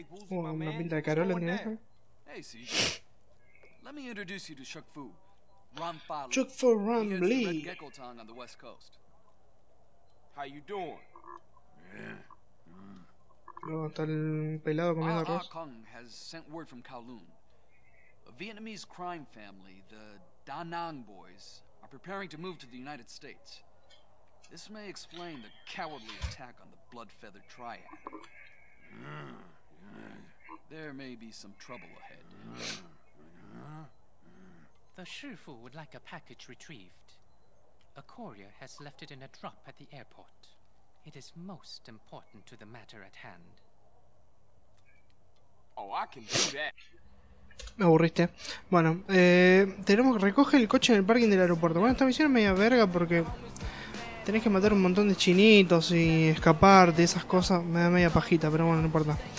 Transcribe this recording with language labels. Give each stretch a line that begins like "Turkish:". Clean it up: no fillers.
Spanish: Una pinta de Carola, ¿no?
English: Let me introduce you to Chuck Fu. Chuck Fu Ram Lee. Red Gecko Tong on the West Coast. How you doing? Yeah.
Spanish: Está el pelado comiendo arroz.
English: Ah Kong has sent word from Kowloon. A Vietnamese crime family, the Da Nang boys, are preparing to move to the United States. This may explain the cowardly attack on the Blood Feather Triad. There may be some trouble ahead. The Shifu would like a package retrieved. A courier has left it in a drop at the airport. It is most important to the matter at hand. Oh, I can do that. Me aburriste.
Spanish: Bueno, tenemos que recoger el coche en el parking del aeropuerto. Bueno, esta misión es media verga porque tenés que matar un montón de chinitos y escapar de esas cosas. Me da media pajita, pero bueno, no importa.